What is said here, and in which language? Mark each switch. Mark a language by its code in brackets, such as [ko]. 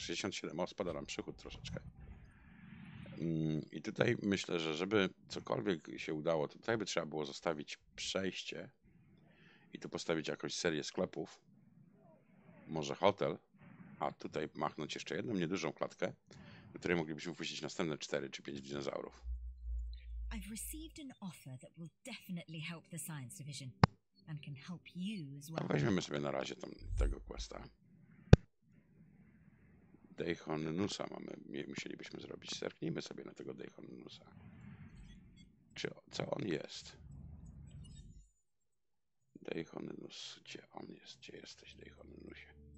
[pl] 67, o, spada nam przychód troszeczkę. I tutaj myślę, że żeby cokolwiek się udało, to tutaj by trzeba było zostawić przejście i tu postawić jakąś serię sklepów, może hotel, a tutaj machnąć jeszcze jedną niedużą klatkę, na której moglibyśmy wpuścić następne 4 czy 5 dinozaurów. [en] I've received an offer that will definitely help the science division and can help you as well. [pl] Weźmiemy sobie na razie tam tego questa. Deihonnusa mamy, musielibyśmy zrobić. Zerknijmy sobie na tego Deihonnusa. Czy co on jest? Deihonnus, gdzie on jest? Gdzie jesteś, Deihonnusie?